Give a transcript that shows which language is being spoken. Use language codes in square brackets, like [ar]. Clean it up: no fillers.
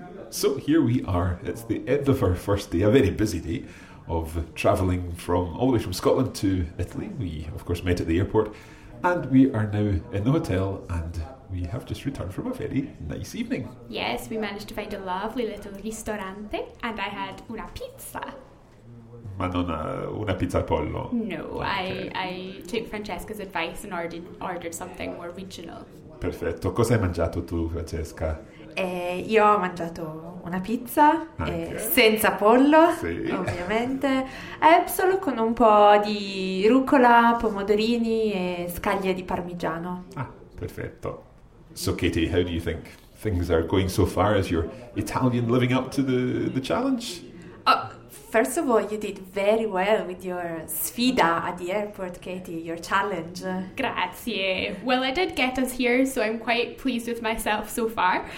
[en] So here we are. It's the end of our first day, a very busy day of travelling from all the way from Scotland to Italy. We, of course, met at the airport. And we are now in the hotel and we have just returned from a very nice evening. Yes, we managed to find a lovely little ristorante and I had [it] una pizza. Ma non una pizza al pollo? [en] No, okay. I took Francesca's advice and ordered something more regional. [it] Perfetto. Cosa hai mangiato tu, Francesca? Io ho mangiato una pizza senza pollo, sì. Ovviamente, solo con un po' di rucola, pomodorini e scaglie di parmigiano. Ah, perfetto. [en] So Katie, how do you think things are going so far? Is your Italian living up to the challenge? First of all, you did very well with your sfida at the airport, Katie, your challenge. [it] Grazie. [en] Well, I did get us here, so I'm quite pleased with myself so far.